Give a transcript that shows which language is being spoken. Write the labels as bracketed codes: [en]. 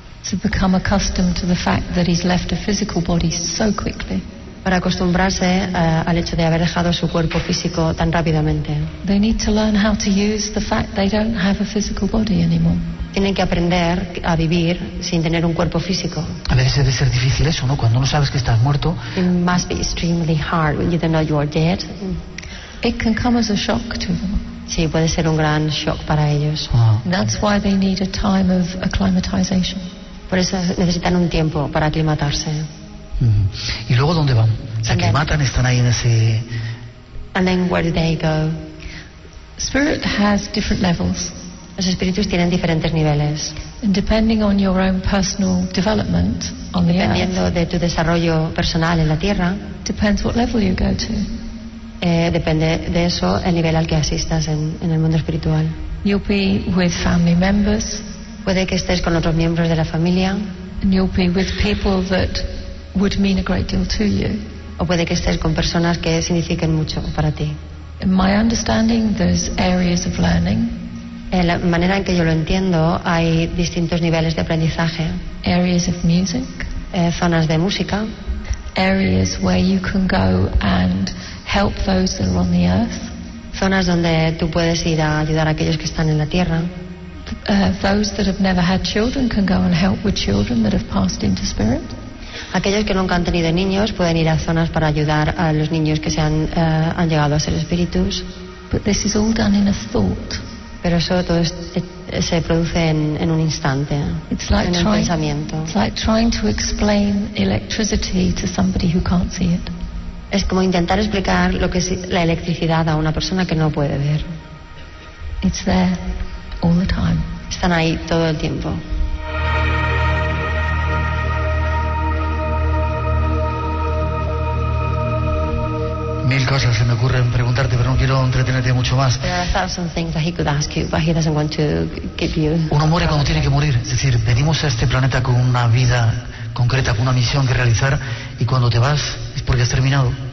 [en] To become accustomed to the fact that he's left a physical body so quickly. [es] Para acostumbrarse al hecho de haber dejado su cuerpo físico tan rápidamente. [en] They need to learn how to use the fact they don't have a physical body anymore. [es] Tienen que aprender a vivir sin tener un cuerpo físico. A veces debe ser difícil eso, ¿no? Cuando no sabes que estás muerto. [en] It must be extremely hard when you don't know you are dead. It can come as a shock to them. [es] Sí, puede ser un gran shock para ellos. [en] That's why they need a time of acclimatization. [es] Por eso necesitan un tiempo para aclimatarse. ¿Y luego dónde van? Se aclimatan, están ahí en ese... [en] And then where do they go? Spirit has different levels. [es] Los espíritus tienen diferentes niveles. [en] And depending on your own personal development on the earth. [es] Dependiendo de tu desarrollo personal en la tierra. [en] Depends what level you go to. [es] Depende de eso el nivel al que asistas en el mundo espiritual. [en] You'll be with family members. [es] Puede que estés con otros miembros de la familia. [en] And you'll be with people that would mean a great deal to you. [es] O puede que estés con personas que signifiquen mucho para ti. [en] In my understanding, there's areas of learning. [es] En la manera en que yo lo entiendo, hay distintos niveles de aprendizaje. [en] Areas of music. [es] Zonas de música. [en] Areas where you can go and help those that are on the earth. [es] Zonas donde tú puedes ir a ayudar a aquellos que están en la tierra. [en] Those that have never had children can go and help with children that have passed into spirit. [es] Aquellos que nunca han tenido niños pueden ir a zonas para ayudar a los niños que se han llegado a ser espíritus. [en] But this is all done in a thought. [es] Pero eso todo se produce en un instante. [en] It's like [es] en [en] trying, [es] un pensamiento. [en] It's like trying to explain electricity to somebody who can't see it. [es] Es como intentar explicar lo que es la electricidad a una persona que no puede ver. [en] It's there all the time. [es] Están ahí todo el tiempo. Mil cosas se me ocurren preguntarte, pero no quiero entretenerte mucho más. [en] There are a thousand things that he could ask you, but he doesn't want to keep you. [es] Uno muere cuando tiene que morir, es decir, venimos a este planeta con una vida concreta, con una misión que realizar, y cuando te vas es porque has terminado.